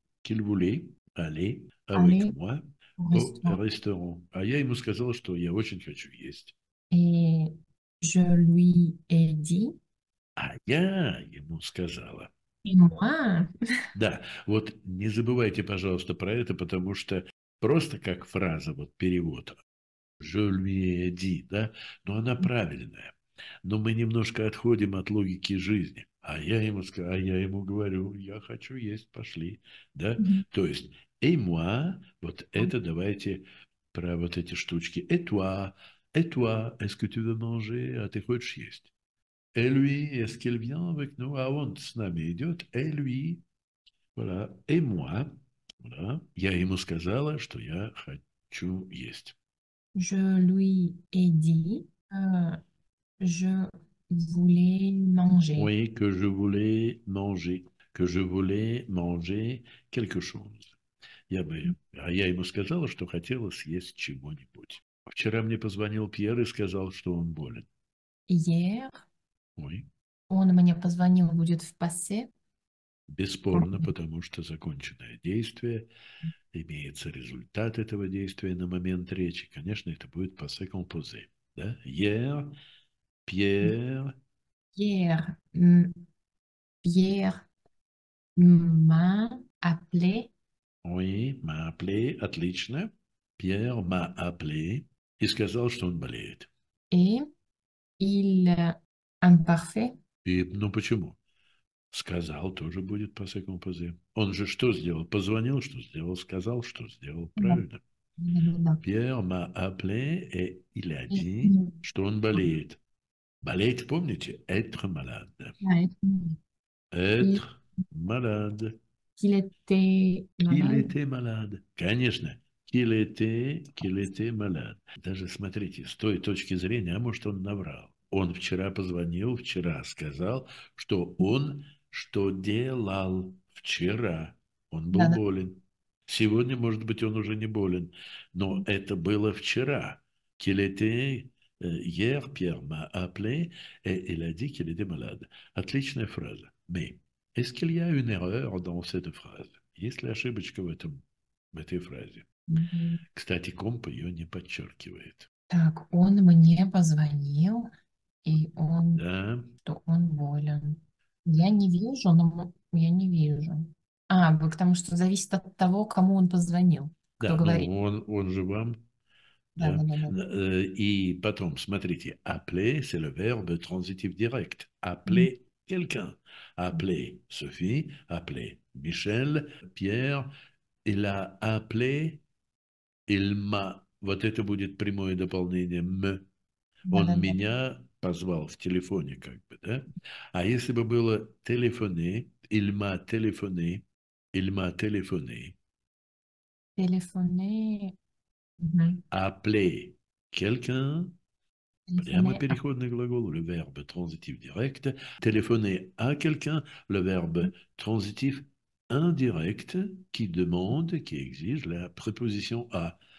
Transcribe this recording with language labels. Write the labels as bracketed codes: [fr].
[fr] qu'il voulait aller avec aller moi. au Au restaurant. restaurant. [ru] А я ему сказал, что я очень хочу есть. [fr] Et je lui ai dit. [ru] А я ему сказала. И [fr] moi. [ru] Да, вот не забывайте, пожалуйста, про это, потому что просто как фраза, вот перевод. [fr] Je lui ai dit, [ru] да, но она правильная. Но мы немножко отходим от логики жизни. А я ему говорю, я хочу есть, пошли, да. То есть [fr] «Et moi», [ru] вот это давайте про вот эти штучки. [fr] «Et toi, est-ce que tu veux manger? [ru] А ты хочешь есть?» [fr] «Et lui, est-ce qu'il vient avec nous?» [ru] А он с нами идет. [fr] «Et lui, voilà, et moi, voilà, [ru] я ему сказала, что я хочу есть». [fr] Je lui ai dit, je voulais manger. Oui, que je voulais manger. Que je voulais manger quelque chose. [ru] А я ему сказала, что хотела съесть чего-нибудь. Вчера мне позвонил Пьер и сказал, что он болен. [fr] Hier, Oui. [ru] он мне позвонил, будет в пассе. Бесспорно, потому что законченное действие, имеется результат этого действия на момент речи. Конечно, это будет passé composé. [fr] Да? Hier, Pierre. Pierre m'a appelé. Oui, m'a appelé, [ru] отлично. [fr] Pierre m'a appelé [ru] и сказал, что он болеет. [fr] Et il imparfait. [ru] И, ну почему? Сказал тоже будет passé composé. Он же что сделал? Позвонил, что сделал? Сказал, что сделал? Правильно. [fr] Pierre m'a appelé et il a dit, [ru] что он болеет. Болеть, помните? [fr] Être malade. Être malade. Qu'il était Il malade. était malade. [ru] Конечно. [fr] Qu'il était malade. [ru] Даже смотрите, с той точки зрения, а может он наврал. Он вчера позвонил, вчера сказал, что он что делал вчера. Он был болен. Сегодня, может быть, он уже не болен. Но это было вчера. [fr] Qu'il était hier, Pierre m'a appelé et il a dit qu'il était malade. [ru] Отличная фраза. [fr] Mais est-ce qu'il y a une erreur dans cette phrase? [ru] Есть ли ошибочка в этой фразе? Кстати, комп ее не подчеркивает. Так, он мне позвонил, и он, Да. что он болен. Я не вижу, но я не вижу. Потому что зависит от того, кому он позвонил, кто говорит. он же вам, да. И потом, смотрите, [fr] appeler, c'est le verbe transitif direct. Appeler quelqu'un. Appeler Sophie, appeler Michel, Pierre. Il a appelé, il m'a. [ru] Вот это будет прямое дополнение. [fr] Me. [ru] Он меня позвал в телефоне, как бы, да? А если бы было телефоне, [fr] il m'a téléphoné, il m'a téléphoné. Téléphoner. Appeler quelqu'un, [ru] прямо [fr] Téléphoner à. [ru] переходный глагол, [fr] le verbe transitif direct. Téléphoner à quelqu'un, le verbe transitif indirect qui demande, qui exige la préposition à.